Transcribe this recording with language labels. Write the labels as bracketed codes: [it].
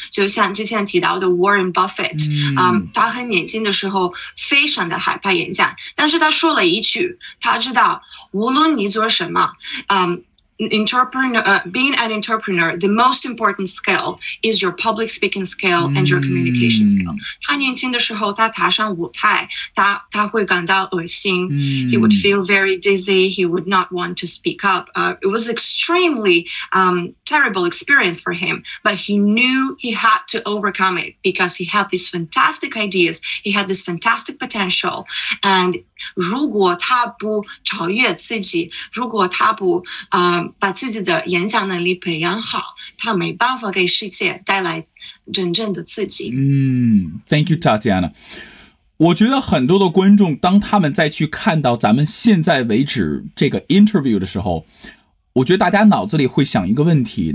[zh] 就像之前提到的 Warren Buffett， 他很年轻的时候非常的害怕演讲，但是他说了一句，他知道无论你做什么， [en] being an entrepreneur, the most important skill is your public speaking skill and your communication skill. [zh] 他年轻的时候，他踏上舞台，他会感到恶心。 [en] He would feel very dizzy. He would not want to speak up. It was extremely terrible experience for him, but he knew he had to overcome it because he had these fantastic ideas. He had this fantastic potential. [zh] And如果他不超越自己，如果他不把自己的演讲能力培养好，他没办法给世界带来真正的自己。 [en] Thank you, Tatiana. [zh] 我觉得很多的观众，当他们再去看到咱们现在为止这个 interview 的时候，我觉得大家脑子里会想一个问题。